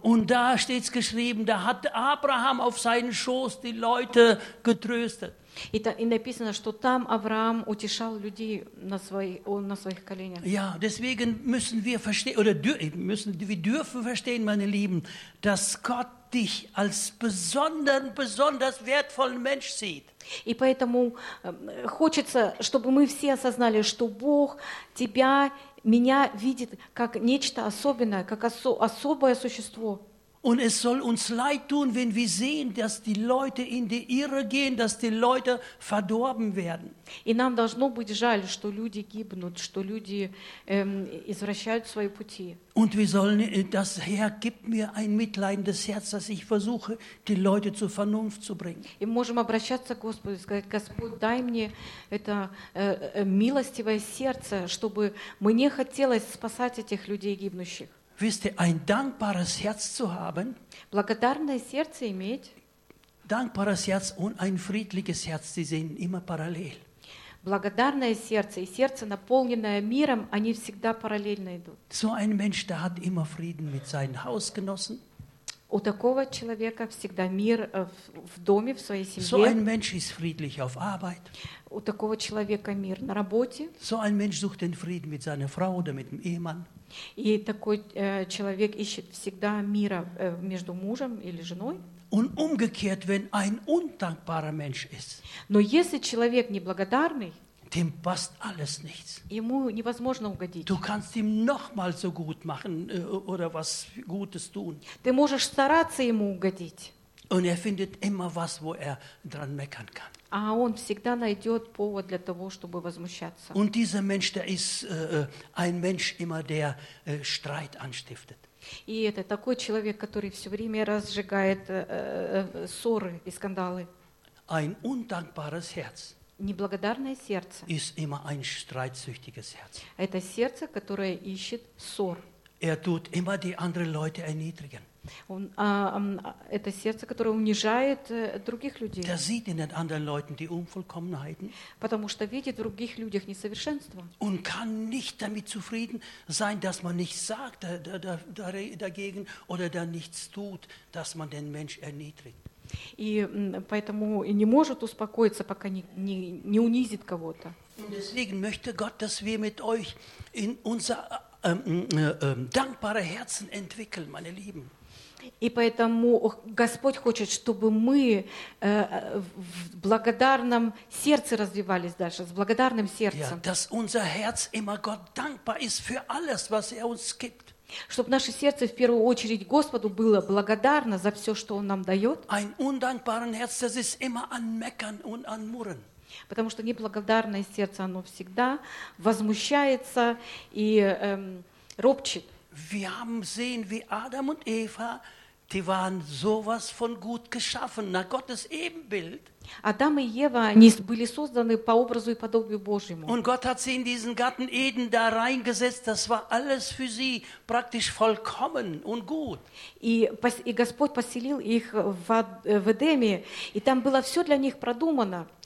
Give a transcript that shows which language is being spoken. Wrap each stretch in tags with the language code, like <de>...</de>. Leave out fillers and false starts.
<de>Und da steht es geschrieben, da hat Abraham auf seinen Schoß die Leute getröstet.</de> <ru>И написано, что там Авраам утешал людей на своих коленях.</ru> <de>Ja, deswegen müssen wir verstehen, wir dürfen verstehen, meine Lieben, dass Gott dich als besonders wertvollen Mensch sieht.</de> <ru>И поэтому хочется, чтобы мы все осознали, что Бог тебя, меня видит как нечто особенное, как особое существо.</ru> <de>Und es soll uns leid tun, wenn wir sehen, dass die Leute in die Irre gehen, dass die Leute verdorben werden.</de> <ru>И нам должно быть жаль, что люди гибнут, что люди извращают свои пути.</ru> <de>Und wir sollen, das Herr gibt mir ein mitleidendes Herz, dass ich versuche, die Leute zur Vernunft zu bringen.</de> <ru>И можем обращаться к Господу и сказать: Господь, дай мне это милостивое сердце, чтобы мне хотелось спасать этих людей гибнущих.</ru> <de>Wisst ihr, ein dankbares Herz zu haben,</de> <ru>благодарное сердце иметь,</ru> <de>dankbares Herz und ein friedliches Herz, sie sehen immer parallel.</de> <ru>Благодарное сердце и сердце, наполненное миром, они всегда параллельно идут.</ru> <de>So ein Mensch, der hat immer Frieden mit seinen Hausgenossen.</de> <ru>У такого человека всегда мир в доме, в своей семье.</ru> <de>So ein Mensch ist friedlich auf Arbeit.</de> <ru>У такого человека мир на работе.</ru> <de>So ein Mensch sucht den Frieden mit seiner Frau oder mit dem Ehemann.</de> <ru>И такой человек ищет всегда мира между мужем или женой.</ru> <de>Und umgekehrt, wenn ein undankbarer Mensch ist,</de> <ru>но если человек неблагодарный,</ru> <de>dem passt alles nichts.</de> <ru>Ему невозможно угодить.</ru> <de>Du kannst ihm noch mal so gut machen oder was Gutes tun.</de> <ru>Ты можешь стараться ему угодить.</ru> <de>Und er findet immer was, wo er dran meckern kann.</de> <ru>А он всегда найдет повод для того, чтобы возмущаться.</ru> <de>Und dieser Mensch, der ist ein Mensch immer, der Streit anstiftet.</de> <ru>И это такой человек, который все время разжигает ссоры и скандалы.</ru> <de>Ein undankbares Herz.</de> <ru>Неблагодарное сердце.</ru> <de>Ist immer ein streitsüchtiges Herz.</de> <ru>Это сердце, которое ищет ссор.</ru> <de>Er tut immer die anderen Leute erniedrigen.</de> <ru>Это сердце, которое унижает других людей.</ru> <de>Der sieht in den anderen Leuten die Unvollkommenheiten.</de> <ru>Потому что видит в других людях несовершенство.</ru> <de>Und kann nicht damit zufrieden sein, dass man nichts sagt dagegen oder dann nichts tut, dass man den Mensch erniedrigt.</de> <ru>И поэтому и не может успокоиться, пока не унизит кого-то.</ru> <de>Und deswegen möchte Gott, dass wir mit euch in unser dankbare Herzen entwickeln, meine Lieben.</de> <ru>И поэтому Господь хочет, чтобы мы в благодарном сердце развивались дальше, с благодарным сердцем.</ru> <de>Ja, dass unser Herz immer Gott dankbar ist für alles, was er uns gibt.</de> <ru>Чтобы наше сердце в первую очередь Господу было благодарно за все, что Он нам дает.</ru> <de>Ein undankbares Herz, das ist immer an Meckern und an Murren.</de> <ru>Потому что неблагодарное сердце, оно всегда возмущается и ропчет.</ru> <de>Wir haben gesehen, wie Adam und Eva, die waren sowas von gut geschaffen, nach Gottes Ebenbild.</de> <ru>Адам и Ева, они были созданы по образу и подобию Божьему.</ru> <de>Und Gott hat sie in diesen Garten Eden da reingesetzt, das war alles für sie praktisch vollkommen und gut.</de> <ru>И Господь поселил их в Эдеме, и там было все для них продумано.</ru>